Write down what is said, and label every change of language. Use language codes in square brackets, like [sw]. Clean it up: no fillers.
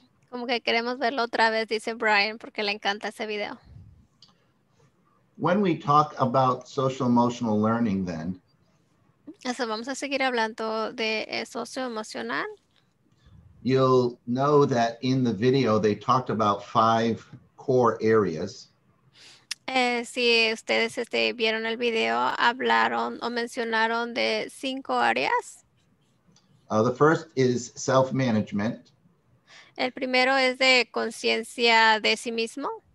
[es] Como que queremos verlo otra vez, dice Brian, porque le encanta ese video. [en] When we talk about social emotional learning, then. [es] Eso, vamos a seguir hablando de socioemocional. [en] You'll know that in the video they talked about five core areas. [es] Si ustedes vieron el video, hablaron o mencionaron de cinco áreas. [en] The first is self-management. [es] El primero es de conciencia de sí mismo.